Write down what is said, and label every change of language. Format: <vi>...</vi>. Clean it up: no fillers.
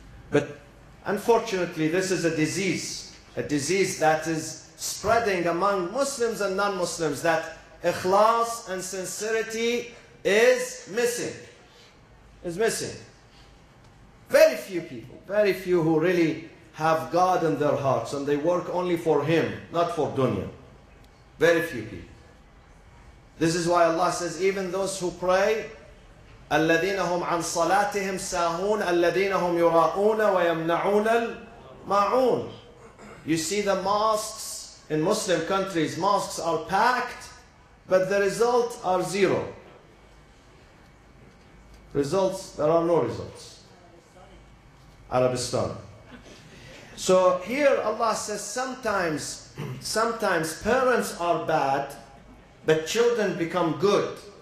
<en>But unfortunately, this is a disease that is spreading among Muslims and non-Muslims, that ikhlas and sincerity is missing. Very few who really have God in their hearts and they work only for Him, not for dunya. Very few people. This is why Allah says, even those who pray,</en> <ar>الَّذِينَ هُمْ عَنْ صَلَاتِهِمْ سَاهُونَ الَّذِينَ هُمْ يُرَاءُونَ وَيَمْنَعُونَ الْمَعُونَ.</ar> <en>You see the mosques in Muslim countries, mosques are packed, but the results are zero. Results, there are no results. Arabistan. So here Allah says sometimes parents are bad, but children become good.</en>